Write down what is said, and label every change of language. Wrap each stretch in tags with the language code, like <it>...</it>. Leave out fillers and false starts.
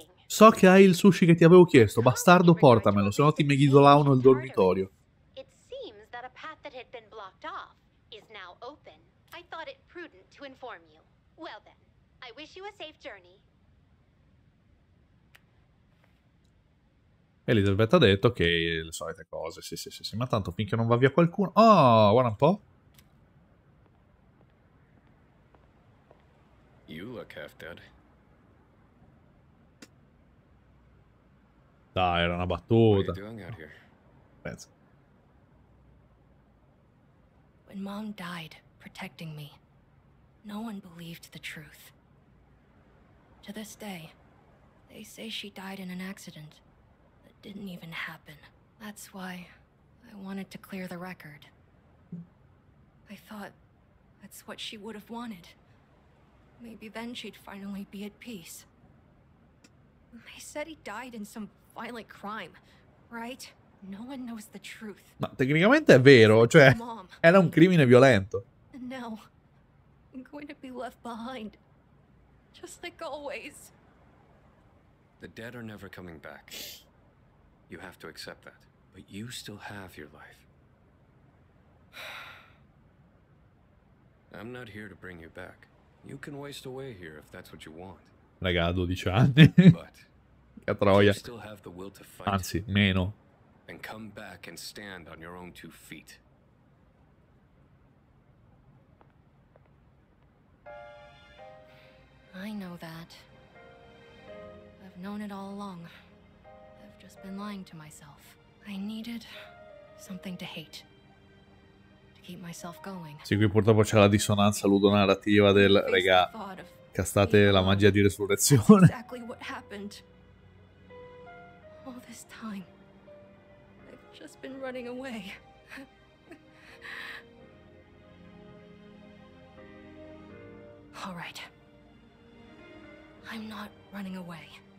<it>So che hai il sushi che ti avevo chiesto, bastardo, portamelo, sennò ti meghidolano il dormitorio.</it> <en>It seems that a path that had been blocked off is now open. I thought it prudent to inform you. Well then, I wish you a safe journey.</en> <it>Elizabeth ha detto che le solite cose, sì, sì, sì, sì, ma tanto finché non va via qualcuno. Oh, guarda un po'.</it> <en>You look half dead.</en> <it>Dai, era una battuta. Penso.</it> <en>When mom died protecting me, no one believed the truth. To this day, they say she died in an accident that didn't even happen. That's why I wanted to clear the record. I thought that's what she would have wanted. Maybe then she'd finally be at peace. They said he died in some violent crime, right? No one knows the truth.</en> <it>Ma tecnicamente è vero, cioè era un crimine violento.</it> <en>And now I'm going to be left behind, just like always. The dead are never coming back. You have to accept that, but you still have your life. I'm not here to bring you back. You can waste away here if that's what you want.</en> <it>Raga, 12 anni. But a troia. Anzi, meno.</it> <en>And come back and stand on your own two feet. I know that. I've known it all along. I've just been lying to myself. I needed something to hate to keep myself going.</en> <it>Sì, qui purtroppo c'è la dissonanza ludonarrativa del regà. Castate la magia di resurrezione.</it> <en>Exactly what happened. All this time, I've just been running away. All right. I'm not running away.</en>